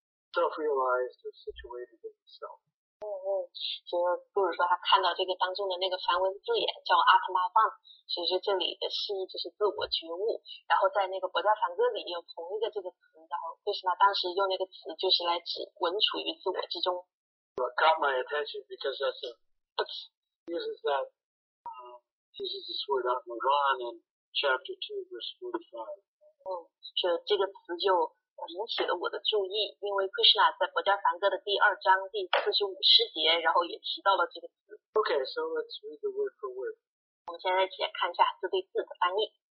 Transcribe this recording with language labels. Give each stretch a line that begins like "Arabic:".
English: Self-realized or situated in the self.
Chinese: 就是说他看到这个当中的那个梵文字眼叫阿特玛万，其实这里的释义就是自我觉悟，然后在那个博迦梵歌里有同一个这个词，然后为什么当时用那个词就是来指文处于自我之中。
English: What got my attention because that's a uses that uses this word Atmavan in chapter 2 verse 45.
Chinese: 所以这个词就引起了我的注意，因为 Krishna 在《博迦梵歌》的第二章第45诗节，然后也提到了这个词。
English: Okay, so let's read the word for word.
Chinese: 我们现在一起来看一下字对字的翻译。